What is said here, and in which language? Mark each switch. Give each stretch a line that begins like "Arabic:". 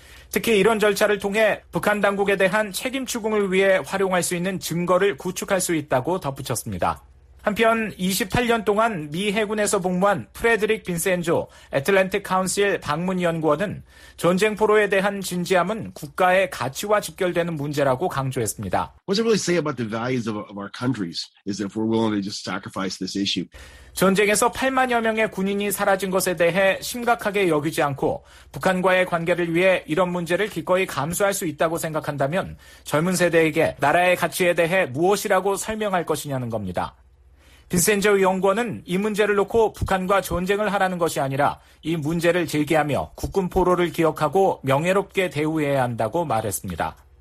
Korean: 특히 이런 절차를 통해 북한 당국에 대한 책임 추궁을 위해 활용할 수 있는 증거를 구축할 수 있다고 덧붙였습니다. 한편 28년 동안 미 해군에서 복무한 프레드릭 빈센조 애틀랜틱 카운실 방문연구원은 전쟁 포로에 대한 진지함은 국가의 가치와 직결되는 문제라고 강조했습니다.
English: What's it really say about the values of our countries is if we're willing to just sacrifice this issue.
Korean: 전쟁에서 8만여 명의 군인이 사라진 것에 대해 심각하게 여기지 않고 북한과의 관계를 위해 이런 문제를 기꺼이 감수할 수 있다고 생각한다면 젊은 세대에게 나라의 가치에 대해 무엇이라고 설명할 것이냐는 겁니다. 빈센저 연구원은 이 문제를 놓고 북한과 전쟁을 하라는 것이 아니라 이 문제를 제기하며 국군 포로를 기억하고 명예롭게 대우해야 한다고 말했습니다.